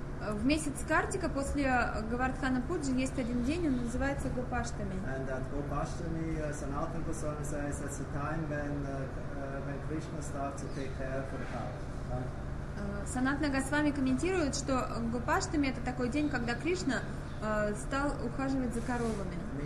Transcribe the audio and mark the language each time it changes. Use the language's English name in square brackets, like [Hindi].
[Russian] В месяц Картика после Гавардхана Пуджи есть один день, он называется Гопаштами. [English] And at Gopashtami, Sanatan Goswami says, it's a time when Krishna starts to take care for the cow. [Russian] Санатна Госвами комментирует, что Гопаштами — это такой день, когда Кришна стал ухаживать за коровами.